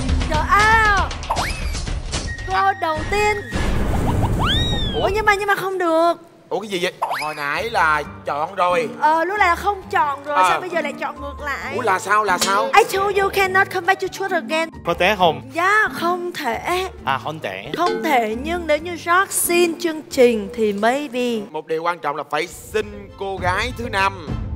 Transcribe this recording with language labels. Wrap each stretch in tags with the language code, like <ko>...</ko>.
<vi>Trời ơi! Cô đầu tiên. Ủa nhưng mà không được. Ủa cái gì vậy? Hồi nãy là chọn rồi. Lúc này là không chọn rồi. Sao bây giờ lại chọn ngược lại? Ủa là sao?</vi> <en>I told you cannot come back to choose again.</en> <vi>Có thể không? Dạ, không thể. À, không thể. Không thể, nhưng nếu như Jack xin chương trình thì maybe. Một điều quan trọng là phải xin cô gái thứ năm.</vi>